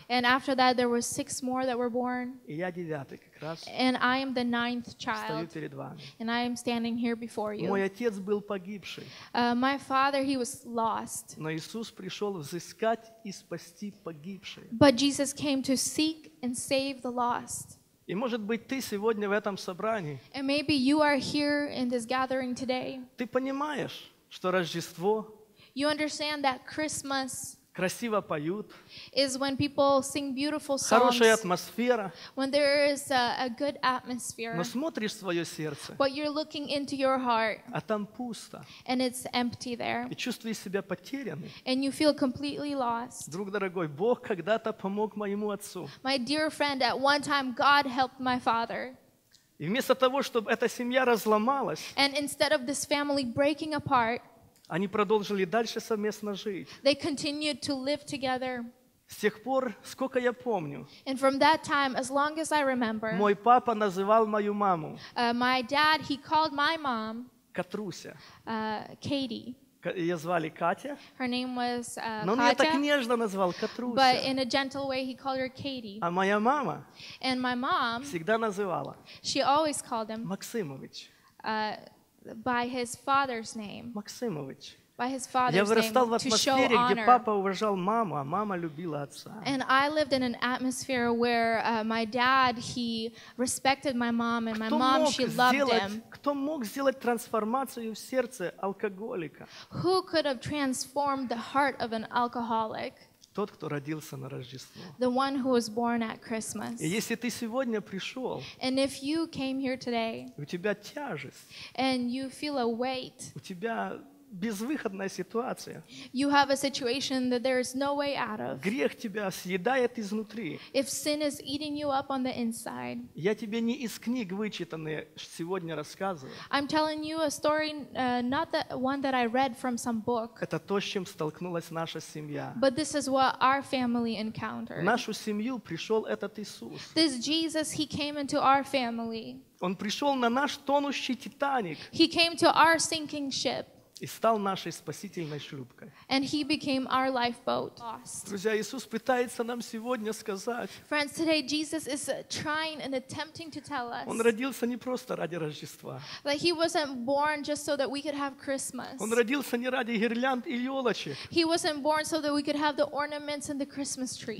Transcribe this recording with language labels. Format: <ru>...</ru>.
<en>And after that there were six more that were born.</en> <ru>И я девятый как раз.</ru> <en>And I am the ninth child.</en> <ru>Стою перед вами.</ru> <en>And I am standing here before you.</en> <ru>Мой отец был погибший.</ru> <en>My father, he was lost.</en> <ru>Но Иисус пришел взыскать и спасти погибших.</ru> <en>But Jesus came to seek and save the lost.</en> <ru>И может быть ты сегодня в этом собрании.</ru> <en>And maybe you are here in this gathering today.</en> <ru>Ты понимаешь, что Рождество.</ru> <en>You understand that Christmas.</en> <ru>Красиво поют.</ru> <en>Is when people sing beautiful songs.</en> <ru>Хорошая атмосфера.</ru> <en>When there is a good atmosphere.</en> <ru>Но смотришь в свое сердце.</ru> <en>But you're looking into your heart.</en> <ru>А там пусто.</ru> <en>And it's empty there.</en> <ru>И чувствуешь себя потерянным.</ru> <en>And you feel completely lost.</en> <ru>Друг дорогой, Бог когда-то помог моему отцу.</ru> <en>My dear friend, at one time God helped my father.</en> <ru>И вместо того, чтобы эта семья разломалась.</ru> <en>And instead of this family breaking apart.</en> <ru>Они продолжили дальше совместно жить.</ru> <en>They continued to live together.</en> <ru>С тех пор, сколько я помню.</ru> <en>And from that time, as long as I remember.</en> <ru>Мой папа называл мою маму.</ru> <en>My dad, he called my mom.</en> <ru>Катруся.</ru> <en>Katie.</en> <ru>Ее звали Катя.</ru> <en>Her name was</en> <ru>Но он Но меня так нежно назвал Катруся.</ru> <en>But in a gentle way, he called her Katie.</en> <ru>А моя мама.</ru> <en>And my mom.</en> <ru>Всегда называла.</ru> <en>She always called him.</en> <ru>Максимович.</ru> <en>By his father's name.</en> <ru>Максимович.</ru> <en>By his father's name. To show honor.</en> <ru>Где папа уважал маму, а мама любила отца.</ru> <en>And I lived in an atmosphere where my dad, he respected my mom, and my mom, she loved him.</en> <ru>Кто мог сделать трансформацию в сердце алкоголика?</ru> <en>Who could have transformed the heart of an alcoholic?</en> <ru>Тот, кто родился на Рождество.</ru> <en>The one who was born at Christmas.</en> <ru>И если ты сегодня пришел,</ru> <en>and if you came here today,</en> <ru>у тебя тяжесть,</ru> <en>and you feel a weight,</en> <ru>у тебя безвыходная ситуация,</ru> <en>you have a situation that there is no way out of,</en> <ru>грех тебя съедает изнутри,</ru> <en>if sin is eating you up on the inside,</en> <ru>я тебе не из книг вычитанные сегодня рассказываю.</ru> <en>I'm telling you a story, not the one that I read from some book.</en> <ru>Это то, с чем столкнулась наша семья.</ru> <en>But this is what our family encountered.</en> <ru>В нашу семью пришел этот Иисус.</ru> <en>This Jesus, he came into our family.</en> <ru>Он пришел на наш тонущий Титаник.</ru> <en>He came to our sinking ship.</en> <ru>И стал нашей спасительной шлюпкой.</ru> <en>And he became our lifeboat.</en> <ru>Друзья, Иисус пытается нам сегодня сказать.</ru> <en>Friends, today Jesus is trying and attempting to tell us.</en> <ru>Он родился не просто ради Рождества.</ru> <en>That he wasn't born just so that we could have Christmas.</en> <ru>Он родился не ради гирлянд и елочек.</ru> <en>He wasn't born so that we could have the ornaments and the Christmas trees.</en>